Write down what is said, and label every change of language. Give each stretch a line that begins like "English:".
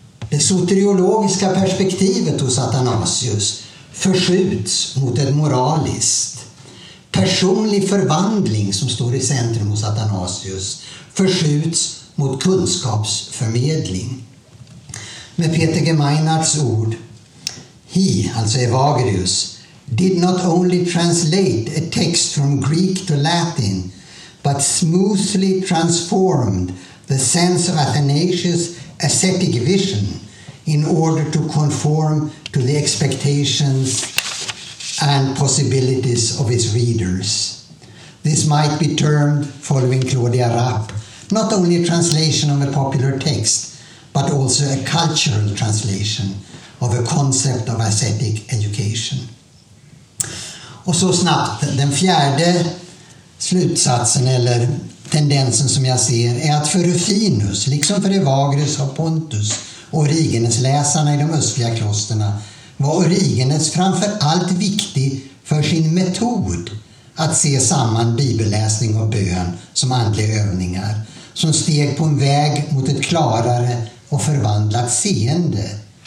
Swedish: Det soteriologiska perspektivet hos Athanasius förskjuts mot ett moraliskt. Personlig förvandling som står i centrum hos Athanasius förskjuts mot kunskapsförmedling. Med Peter Gemeinhardts ord,
English: he, alltså Evagrius, did not only translate a text from Greek to Latin, but smoothly transformed the sense of Athanasius' ascetic vision in order to conform to the expectations and possibilities of his readers. This might be termed, following Claudia Rapp, not only a translation of a popular text, but also a cultural translation of a concept of ascetic education.
Swedish: Och så snabbt, den fjärde slutsatsen eller tendensen som jag ser är att för Rufinus, liksom för Evagrius och Pontus och Origenes läsarna i de östliga klosterna, var Origenes framför allt viktig för sin metod att se samman bibelläsning och bön som andliga övningar, som steg på en väg mot ett klarare och förvandlat seende.